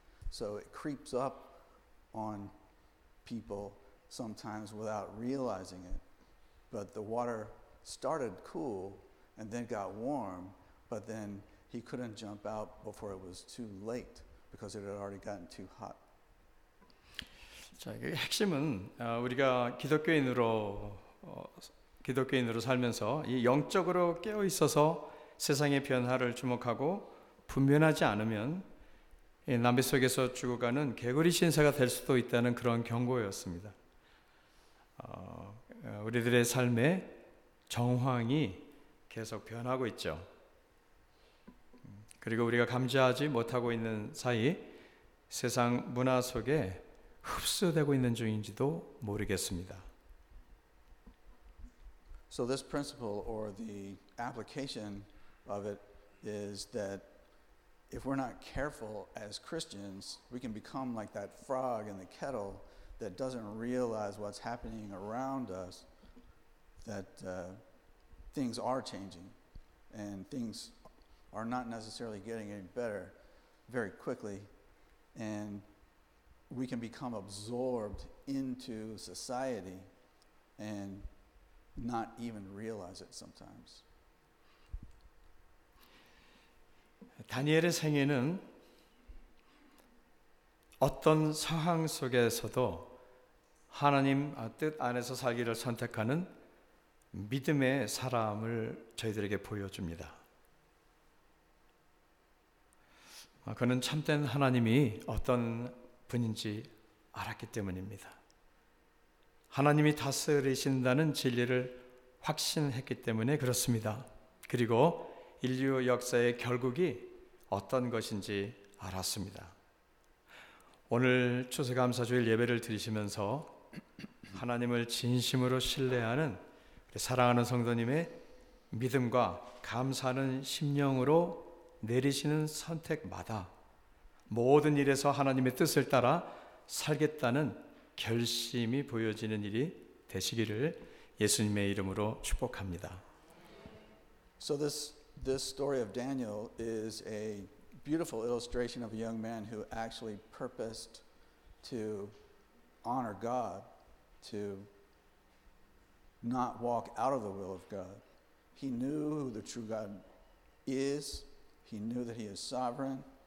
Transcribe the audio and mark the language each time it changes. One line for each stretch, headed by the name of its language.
English: So it creeps up on people sometimes without realizing it. But the water started cool and then got warm, but then he couldn't jump out before it was too late because it had already gotten too hot.
Korean: 자, 이게 핵심은 우리가 기독교인으로 살면서 이 영적으로 깨어 있어서 세상의 변화를 주목하고 분별하지 않으면 남비 속에서 죽어가는 개구리 신세가 될 수도 있다는 그런 경고였습니다. 우리들의 삶의 정황이 계속 변하고 있죠. 그리고 우리가 감지하지 못하고 있는 사이 세상 문화 속에 흡수되고 있는 중인지도 모르겠습니다.
English: So this principle or the application of it is that if we're not careful as Christians, we can become like that frog in the kettle that doesn't realize what's happening around us, that things are changing and things are not necessarily getting any better very quickly, and we can become absorbed into society and not even realize it sometimes.
Korean: 다니엘의 생애는 어떤 상황 속에서도 하나님 뜻 안에서 살기를 선택하는 믿음의 사람을 저희들에게 보여줍니다. 그는 참된 하나님이 어떤 분인지 알았기 때문입니다. 하나님이 다스리신다는 진리를 확신했기 때문에 그렇습니다. 그리고 인류 역사의 결국이 어떤 것인지 알았습니다. 오늘 추수감사주일 예배를 드리시면서 하나님을 진심으로 신뢰하는 우리 사랑하는 성도님의 믿음과 감사하는 심령으로 내리시는 선택마다 모든 일에서 하나님의 뜻을 따라 살겠다는 결심이 보여지는 일이 되시기를 예수님의 이름으로 축복합니다.
English: So this story of Daniel is a beautiful illustration of a young man who actually purposed to honor God, to not walk out of the will of God. He knew who the true God is. He knew that he is sovereign.